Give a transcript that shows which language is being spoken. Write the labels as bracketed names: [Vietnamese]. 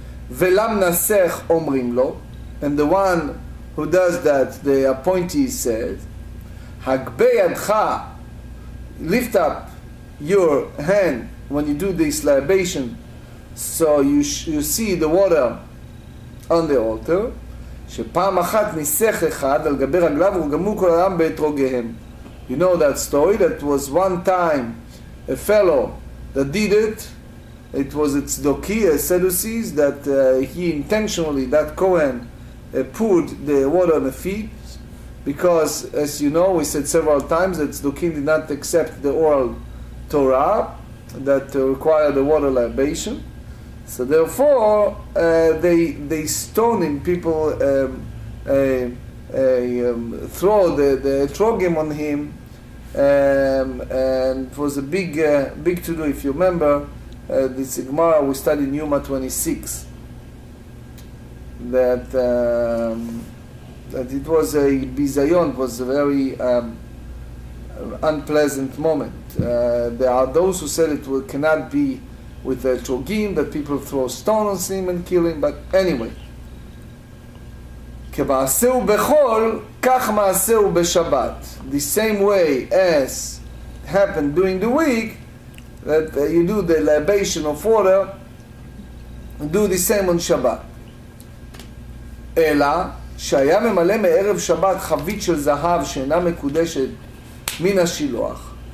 [Hebrew] Velam nasech omrim lo, [English] and the one who does that, the appointee, said, [Hebrew] Hagbe yadcha, [English] lift up your hand when you do this libation, so you see the water on the altar. [Hebrew] שפעם אחת ניסח אחד על גבי רגליו ורגמו כל אדם באתרוגיהם. [English] You know that story, that was one time a fellow that did it, it was a tzedoki, a Sadducees, that he intentionally, that Kohen, poured the water on the feet, because as you know, we said several times, that tzedokim did not accept the oral Torah that required the water libation. So therefore, they stone him, people throw the etrogim on him, and it was a big to-do. If you remember, this Gemara we studied in Yuma 26, that it was a bizayon, it was a very unpleasant moment. There are those who said it cannot be with the etrogim, that people throw stone on him and kill him, but anyway. [Hebrew] כמעשהו בחול, כך מעשהו בשבת. [English] The same way as happened during the week, that you do the libation of water, do the same on Shabbat. [Hebrew] אלא, שהיה ממלא מערב שבת חבית של זהב שאינה מקודשת מן השילוח.